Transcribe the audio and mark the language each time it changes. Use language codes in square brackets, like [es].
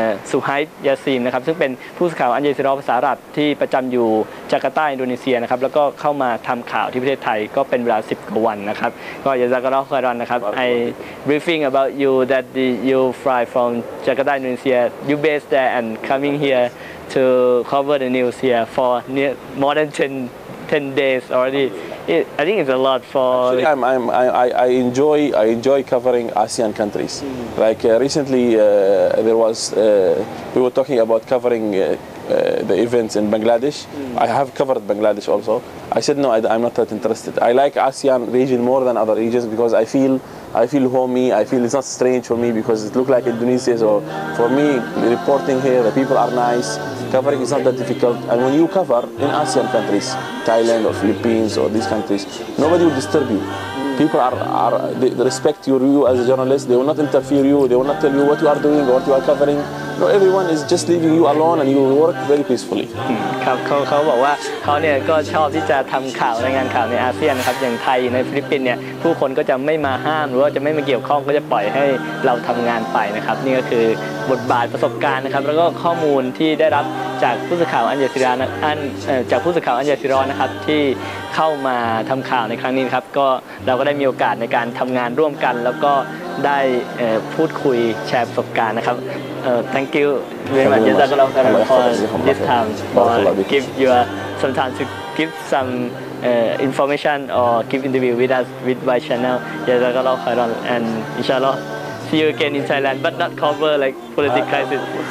[th] สุไฮยาซีมนะครับซึ่งเป็นผู้สื่อข่าวอัลจาซีราภาษาอาหรับที่ประจำอยู่จาการ์ตาอินโดนีเซียนะครับแล้วก็เข้ามาทำข่าวที่ประเทศไทยก็เป็นเวลา10กว่าวันนะครับก็จะจากกันแล้วครับนะครับ [en] I briefing about you that you fly from Jakarta Indonesia you based there and coming here to cover the news here for near more than 10 days already. I think it's a lot for. Actually, I enjoy covering ASEAN countries. Mm-hmm. Like recently, there was we were talking about covering the events in Bangladesh. Mm-hmm. I have covered Bangladesh also. I said no, I'm not that interested. I like ASEAN region more than other regions because I feel homey. I feel it's not strange for me because it looks like Indonesia. So for me, reporting here, the people are nice. Covering is not that difficult, and when you cover in ASEAN countries, Thailand or Philippines or these countries, nobody will disturb you. People are they respect your view as a journalist. They will not interfere you. They will not tell you what you are doing or what you are covering. No, everyone is just leaving you alone, and you will work very peacefully. [th] ครับเขาบอกว่าเขาเนี่ยก็ชอบที่จะทำข่าวรายงานข่าวในอาเซียนนะครับอย่างไทยในฟิลิปปินส์เนี่ยผู้คนก็จะไม่มาห้ามหรือว่าจะไม่มาเกี่ยวข้องก็จะปล่อยให้เราทำงานไปนะครับนี่ก็คือบทบาทประสบการณ์นะครับแล้วก็ข้อมูลที่ได้รับจากผู้สื่อข่าวอัลจาซีรานจากผู้สื่อข่าวอัลจาซีรานะครับที่เข้ามาทำข่าวในครั้งนี้ครับก็เราก็ได้มีโอกาสในการทำงานร่วมกันแล้วก็ได้พูดคุยแชร์ประสบการณ์นะครับ [en] Thank you very much. Thank you very much for this time. For give you some time to give some information or give interview with us with my channel. Thank you very much. And inshallah, see you again in Thailand, but not cover like political crisis.